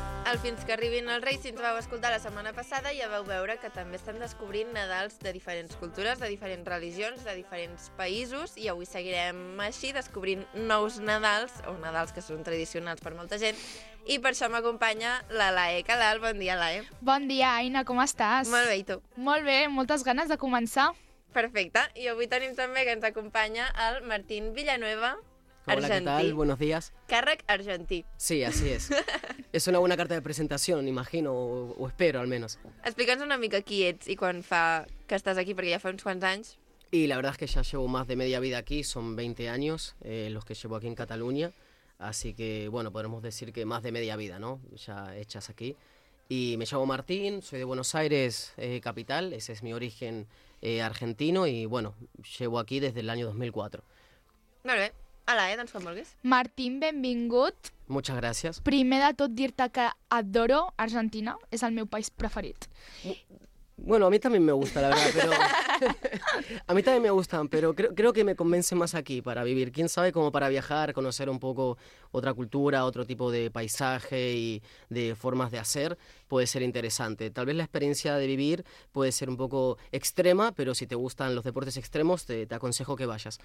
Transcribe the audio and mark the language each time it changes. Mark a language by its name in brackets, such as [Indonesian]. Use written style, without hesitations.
[Catalan] El Fins que arribin els Reis, si ens vau escoltar la setmana passada, ja vau veure que també estan descobrint Nadals de diferents cultures, de diferents religions, de diferents països, i avui seguirem així descobrint nous Nadals, o Nadals que són tradicionals per molta gent, i per això m'acompanya la Lae Calal. Bon dia, Lae. Bon dia, Aina, com estàs? Molt bé, i tu? Molt bé, moltes ganes de començar. Perfecte, i avui tenim també que ens acompanya el Martín Villanueva. Hola, argentí. [Spanish] ¿Qué tal? Buenos días. [Catalan] Càrrec argentí. [Spanish] Sí, así es. Es una buena carta de presentación, imagino, o espero al menos. [Catalan] Explica'ns una mica qui ets i quan fa que estàs aquí, perquè ja fa uns quants anys. [Spanish] Y la verdad es que ya llevo más de media vida aquí, son 20 años los que llevo aquí en Cataluña, así que, bueno, podemos decir que más de media vida, ¿no? Ya hechas aquí. Y me llamo Martín, soy de Buenos Aires, capital, ese es mi origen argentino, y bueno, llevo aquí desde el año 2004. [Catalan] Molt bé. Hola, doncs quan vulguis. Martín, benvingut. Moltes gràcies. Primer de tot dir-te que adoro Argentina, és el meu país preferit. [Spanish] Bueno, a mí también me gusta, la verdad, pero... A mí también me gustan, pero creo que me convence más aquí para vivir. ¿Quién sabe cómo para viajar, conocer un poco otra cultura, otro tipo de paisaje y de formas de hacer? Puede ser interesante. Tal vez la experiencia de vivir puede ser un poco extrema, pero si te gustan los deportes extremos, te aconsejo que vayas.